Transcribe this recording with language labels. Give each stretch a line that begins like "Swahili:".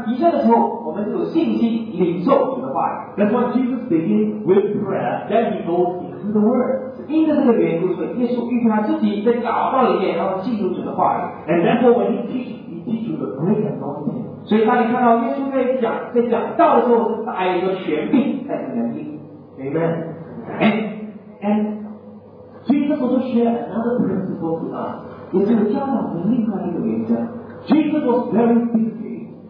Chinese: 当我们敬拜的时候，我们的灵就是这样提升的时候，我们就有信心领受。
English: That's why Jesus began with prayer, then he goes into the Word.
Chinese: 因着这个缘故，所以耶稣预备他自己在祷告里面，然后进入主的话语。
English: And therefore, when he teach you the great anointing.
Chinese: 所以当你看到耶稣在讲道的时候，带有一个权柄，带有能力。
English: Amen. And Jesus also shared another principle to us.
Chinese: 也就是教导我们另外一个原则。
English: Jesus was very busy.